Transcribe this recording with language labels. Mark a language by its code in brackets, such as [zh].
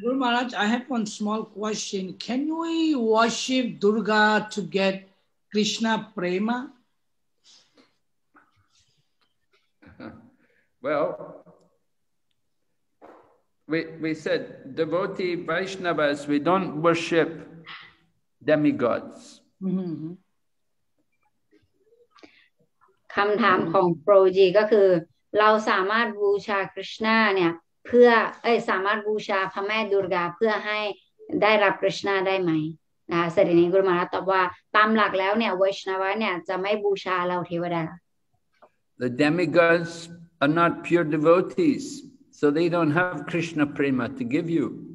[en] Guru Maharaj I have one small question can we worship Durga to get Krishna Prema Well, we said devotee Vaishnavas, we don't worship demigods. [th] คำถามของโปรจีก็คือเราสามารถบูชาคริชนาเนี่ยเพื่อเอ้ยสามารถบูชาพระแม่ดุร์กาเพื่อให้ได้รับคริชนาได้ไหมนะเสร็จนี้กุมารตอบว่าตามหลักแล้วเนี่ยไวชนาวะเนี่ยจะไม่บูชาเราเทวดา [en] The demigodsare not pure devotees, so they don't have Krishna Prema to give you.